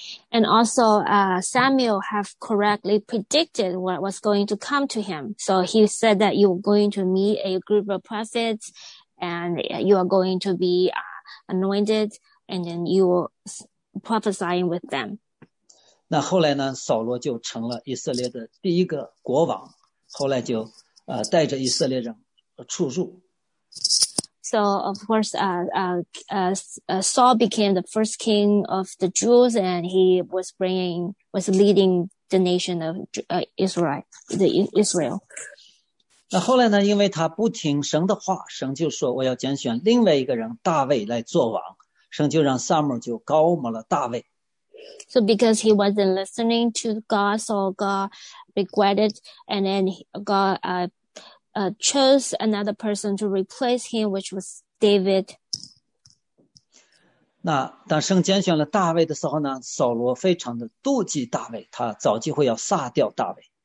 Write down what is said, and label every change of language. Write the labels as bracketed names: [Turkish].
[English] And also, Samuel have correctly predicted what was going to come to him. So he said that you're going to meet a group of prophets and you are going to be anointed and then you will prophesy with them. [Chinese] 那后来呢，扫罗就成了以色列的第一个国王，后来就带着以色列人出入。 [English] So, of course, Saul became the first king of the Jews, and he was leading the nation of Israel. [Chinese] 那后来呢，因为他不听神的话，神就说我要拣选另外一个人大卫来做王，神就让撒母耳就高抹了大卫。 [English] So because he wasn't listening to God, so God regretted, and then God, chose another person to replace him, which was David. [Chinese] 那当神拣选了大卫的时候呢，扫罗非常的妒忌大卫，他找机会要杀掉大卫。